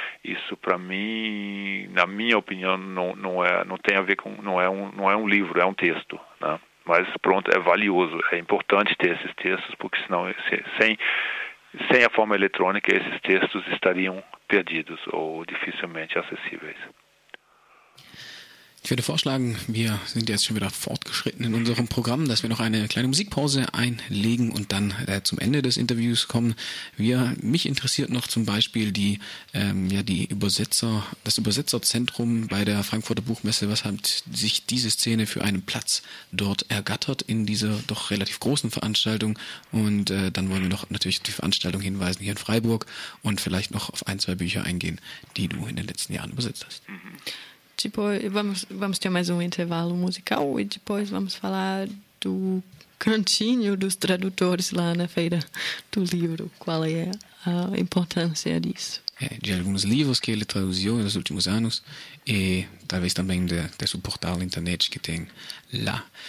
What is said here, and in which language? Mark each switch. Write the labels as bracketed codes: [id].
[pt] Isso para mim, na minha opinião, não é um livro, é um texto, né? Mas pronto, é valioso, é importante ter esses textos, porque senão sem a forma eletrônica esses textos estariam perdidos ou dificilmente acessíveis. [de] Ich würde vorschlagen, wir sind jetzt schon wieder fortgeschritten in unserem Programm, dass wir noch eine kleine Musikpause einlegen und dann zum Ende des Interviews kommen. Mich interessiert noch zum Beispiel das Übersetzerzentrum bei der Frankfurter Buchmesse. Was hat sich diese Szene für einen Platz dort ergattert in dieser doch relativ großen Veranstaltung? Und dann wollen wir noch natürlich die Veranstaltung hinweisen hier in Freiburg und vielleicht noch auf ein, zwei Bücher eingehen, die du in den letzten Jahren übersetzt hast. [pt] Tipo, vamos ter mais um intervalo musical e depois vamos falar do cantinho dos tradutores lá na feira do livro. Qual é a importância disso? De alguns livros que ele traduziu nos últimos anos e talvez também de suportar a internet que tem lá.